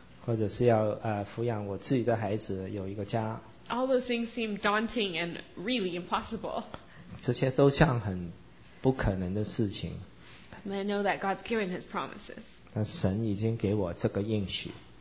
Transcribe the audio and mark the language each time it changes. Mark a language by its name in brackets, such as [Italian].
[Chinese] 或者是要抚养我自己的孩子，有一个家。 [English] All those things seem daunting and really impossible. [Chinese] 这些都像很不可能的事情。 [English] But I know that God's given His promises. [Chinese] 但神已经给我这个应许。